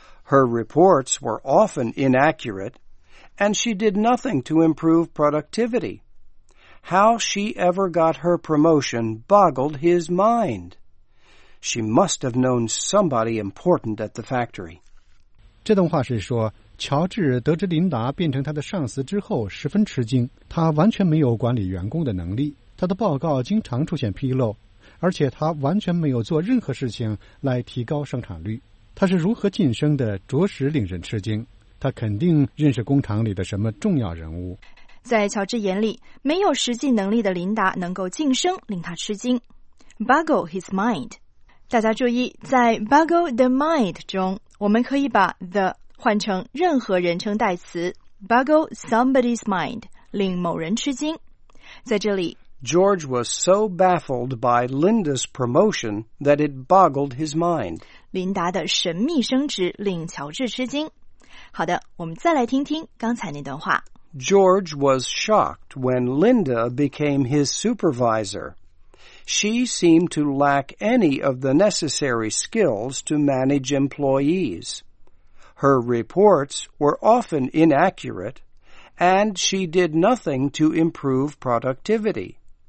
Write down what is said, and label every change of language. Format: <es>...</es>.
<en>Her reports were often inaccurate, and she did nothing to improve productivity. How she ever got her promotion boggled his mind. She must have known somebody important at the factory.</en> <zh>这段话是说，乔治得知琳达变成他的上司之后十分吃惊，他完全没有管理员工的能力，他的报告经常出现纰漏，而且他完全没有做任何事情来提高生产率。他是如何晋升的，着实令人吃惊。他肯定认识工厂里的什么重要人物。在乔治眼里，没有实际能力的琳达能够晋升令他吃惊。 Boggle his mind， 大家注意，在 boggle the mind 中，我们可以把 the 换成任何人称代词， boggle somebody's mind， 令某人吃惊。在这里，</zh> <en>George was so baffled by Linda's promotion that it boggled his mind，</en> <zh>琳达的神秘升职令乔治吃惊。好的，我们再来听听刚才那段话。</zh> <en>George was shocked when Linda became his supervisor. She seemed to lack any of the necessary skills to manage employees. Her reports were often inaccurate, and she did nothing to improve productivity.</en>